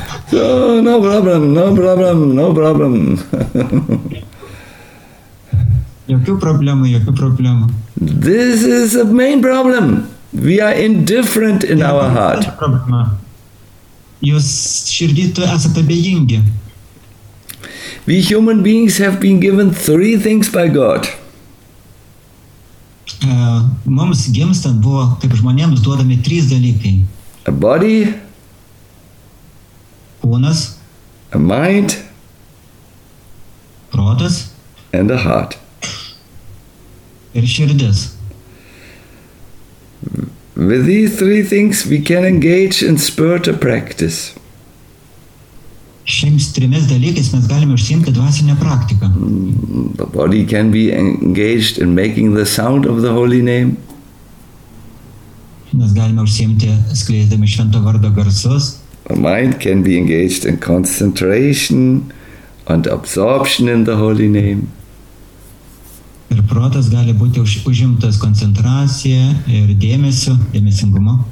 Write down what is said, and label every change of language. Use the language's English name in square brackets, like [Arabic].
[English] So, no problem, no problem, no problem. [Lithuanian] Jokių problemų, jokių problemų. [English] This is the main problem. We are indifferent in our heart. [Lithuanian] Jūs širdį esate abejingi. [English] We human beings have been given three things by God. [Lithuanian] Mums gimstant buvo, kaip žmonėms, duodami trys dalykai. [English] A body. [Lithuanian] Kūnas. [English] A mind. [Lithuanian] Protas. [English] And a heart. [Lithuanian] Ir širdis. [English] With these three things we can engage in spiritual practice. [Lithuanian] Šiems trimis dalykais mes galime užsiimti dvasinę praktiką. [English] The body can be engaged in making the sound of the holy name. [Lithuanian] Mes galime užsiimti skleidami švento vardo garsus. [English] The mind can be engaged in concentration and absorption in the holy name. [Lithuanian] Ir protas gali būti užimtas koncentracija ir dėmesiu, dėmesingumu.